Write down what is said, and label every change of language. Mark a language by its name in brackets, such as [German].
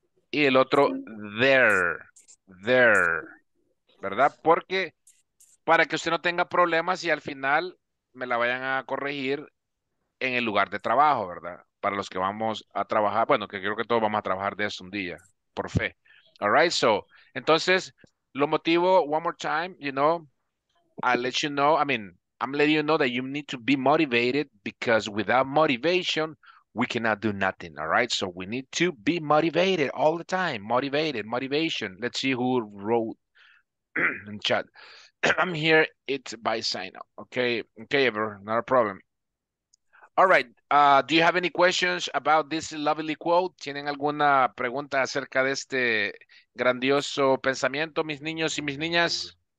[Spanish] Y el otro [English] there, there. [Spanish] ¿Verdad? Porque para que usted no tenga problemas y al final me la vayan a corregir en el lugar de trabajo, ¿verdad? Para los que vamos a trabajar, bueno, que creo que todos vamos a trabajar de eso un día, por fe. [English] All right, so, [Spanish] entonces, lo motivo, [English] one more time, you know, I'll let you know, I mean, I'm letting you know that you need to be motivated because without motivation, we cannot do nothing, all right? So we need to be motivated all the time, motivated, motivation. Let's see who wrote in chat. I'm here, it's by sign up. Okay, okay, ever, not a problem. All right, do you have any questions about this lovely quote? [Spanish] ¿Tienen alguna pregunta acerca de este grandioso pensamiento, mis niños y mis niñas?